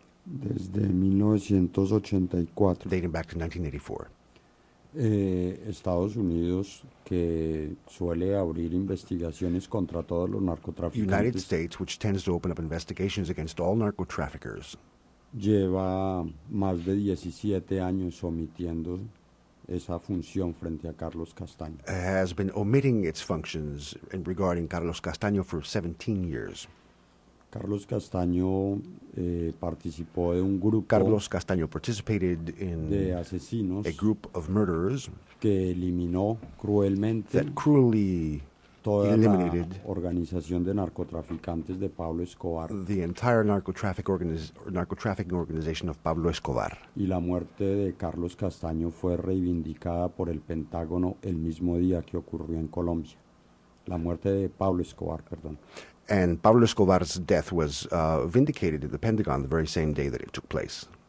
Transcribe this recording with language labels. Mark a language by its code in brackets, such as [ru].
[es] Desde 1984. [en] Dating back to 1984. [es] Estados Unidos, que suele abrir investigaciones contra todos los narcotraficantes. [en] United States, which tends to open up investigations against all narcotraffickers. [es] Lleva más de 17 años omitiendo esa función frente a Carlos Castaño. [en] Has been omitting its functions in regarding Carlos Castaño for 17 years. [es] Carlos Castaño participó de un grupo. [en] Carlos Castaño participated in [es] de asesinos, [en] a group of murderers [es] que eliminó cruelmente, [en] that cruelly [es] toda [en] eliminated [es] la organización de narcotraficantes de Pablo Escobar, [en] the entire narcotrafficking organization of Pablo Escobar. [es] Y la muerte de Carlos Castaño fue reivindicada por el Pentágono el mismo día que ocurrió en Colombia. La muerte de Pablo Escobar, perdón. [en] And Pablo Escobar's death was vindicated at the Pentagon the very same day that it took place.